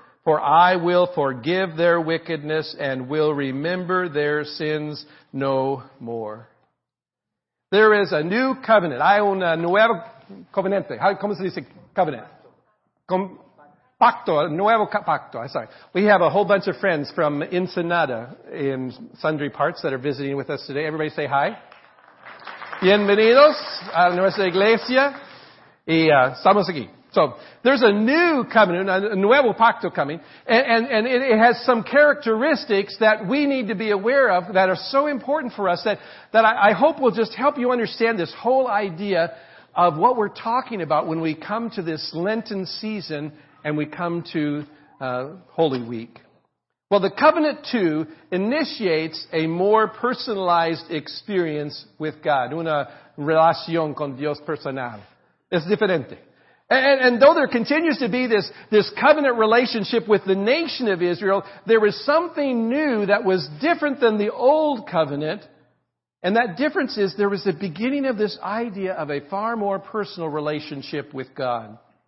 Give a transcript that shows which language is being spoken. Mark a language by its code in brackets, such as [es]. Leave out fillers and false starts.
[en] For I will forgive their wickedness and will remember their sins no more. There is a new covenant. [es] Hay un nuevo covenante. ¿Cómo se dice covenant? Pacto, nuevo pacto. [en] I'm sorry. We have a whole bunch of friends from Ensenada in sundry parts that are visiting with us today. Everybody say hi. [es] Bienvenidos a nuestra iglesia. Y estamos aquí. [en] So, there's a new covenant, a [es] nuevo pacto [en] coming, and it has some characteristics that we need to be aware of that are so important for us that I hope will just help you understand this whole idea of what we're talking about when we come to this Lenten season and we come to Holy Week. Well, the covenant, too, initiates a more personalized experience with God. [es] Una relación con Dios personal. Es diferente. [en] And though there continues to be this covenant relationship with the nation of Israel, there was something new that was different than the old covenant. And that difference is there was the beginning of this idea of a far more personal relationship with God.